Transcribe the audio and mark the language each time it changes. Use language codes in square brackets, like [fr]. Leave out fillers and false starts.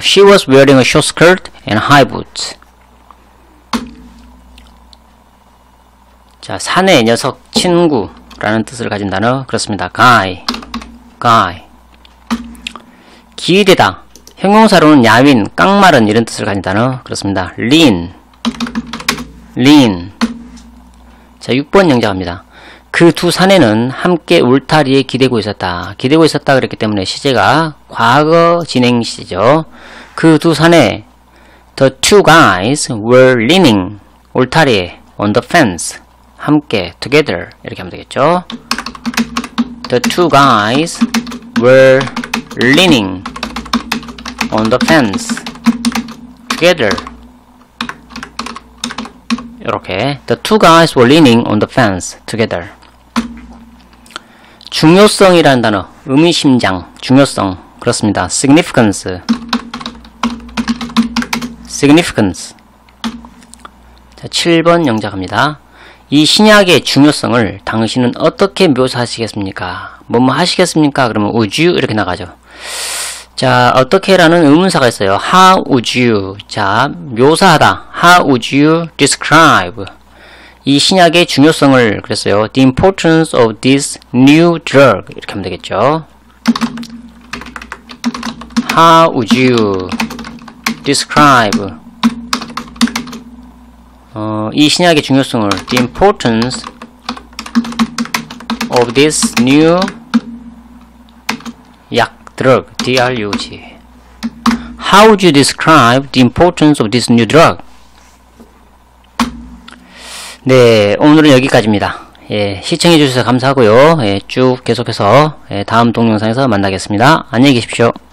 [en] She was wearing a short skirt and high boot. [ko] 자, 사내 녀석, 친구라는 뜻을 가진 단어. 그렇습니다. [en] guy. guy. [ko] 기대다. 형용사로는 야윈, 깡마른 이런 뜻을 가진 단어. 그렇습니다. [en] lean. lean. [ko] 자, 6번 영자 갑니다. 그 두 사내는 함께 울타리에 기대고 있었다. 기대고 있었다 그랬기 때문에 시제가 과거 진행시죠. 그 두 사내, [en] the two guys were leaning [ko] 울타리에 [en] on the fence [ko] 함께 [en] together [ko] 이렇게 하면 되겠죠. [en] The two guys were leaning on the fence together. [ko] 이렇게 [en] the two guys were leaning on the fence together. [ko] 중요성이라는 단어, 의미심장, 중요성. 그렇습니다. significance. significance. 자, 7번 영작 갑니다. 이 신약의 중요성을 당신은 어떻게 묘사하시겠습니까? 뭐뭐 하시겠습니까? 그러면 [en] would you? [ko] 이렇게 나가죠. 자, 어떻게 라는 의문사가 있어요. [en] how would you? [ko] 자, 묘사하다. [en] how would you describe? [ko] 이 신약의 중요성을 그랬어요. [en] The importance of this new drug. [ko] 이렇게 하면 되겠죠. [en] How would you describe [ko] 이 신약의 중요성을 [en] The importance of this new 약, drug, D-R-U-G. How would you describe the importance of this new drug? [ko] 네, 오늘은 여기까지입니다. 예, 시청해주셔서 감사하고요. 예, 쭉 계속해서 다음 동영상에서 만나겠습니다. 안녕히 계십시오.